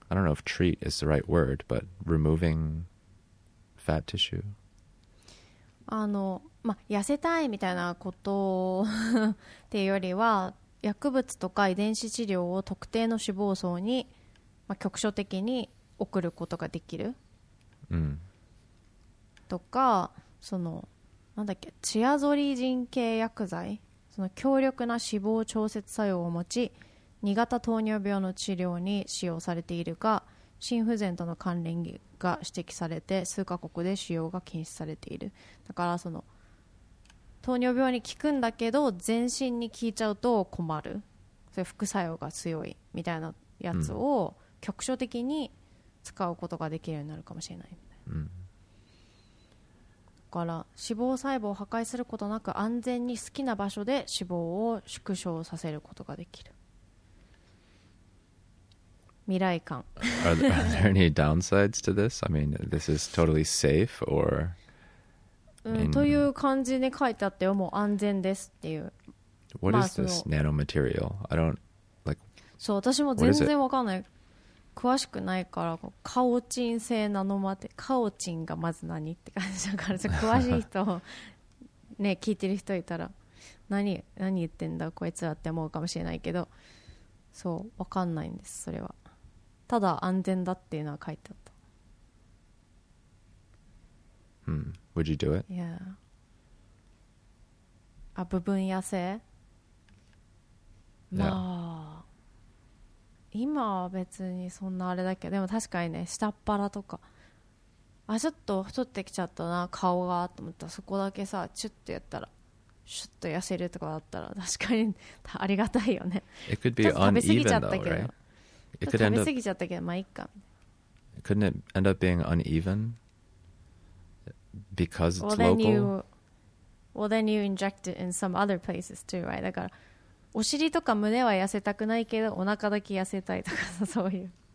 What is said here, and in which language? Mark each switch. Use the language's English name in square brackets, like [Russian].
[English] I don't know if treat is the right word, but removing fat tissue? [Japanese] あの、まあ、痩せたいみたいなことっていうよりは、薬物とか遺伝子治療を特定の脂肪層に、まあ、局所的に送ることができる。うん。とか、その、なんだっけ、チアゾリジン系薬剤、その強力な脂肪調節作用を持ち、2型糖尿病の治療に使用されているが、心不全との関連が指摘されて、数カ国で使用が禁止されている。だからその糖尿病に効くんだけど全身に効いちゃうと困る、それ副作用が強いみたいなやつを局所的に使うことができるようになるかもしれな い, みたいな、うん、だから脂肪細胞を破壊することなく安全に好きな場所で脂肪を縮小させることができる。未来感。 [English] are there any downsides to this? I mean, this is totally safe or... [Japanese] という感じに書いてあってよ、もう安全ですっていう。 [English] What is this nanomaterial? I don't like. [Japanese] そう、私も全然わかんない。詳しくないから、カオチン製ナノマテ、カオチンがまず何って感じだから、詳しい人ね、聞いてる人いたら、何言ってんだこいつらって思うかもしれないけど、そうわかんないんですそれは。ただ安全だっていうのは書いてあった。 [English] うん。Would you do it? [Japanese] Yeah. あ、部分痩せ。まあ、yeah. 今は別にそんなあれだけど、でも確かにね、下っ腹とか、あ、ちょっと太ってきちゃったな顔がと思ったら、そこだけさチュッとやったらシュッと痩せるとかだったら確かにありがたいよね。 [English] It could be uneven though, right? [Japanese] 食べ過ぎちゃったけど、まあいいか。 [English] Couldn't it end up being unevenBecause it's local. Well, then you inject it in some other places too, right? [Japanese] だからお尻とか胸は痩せたくないけどお腹だけ痩せたいとかさ、そういう。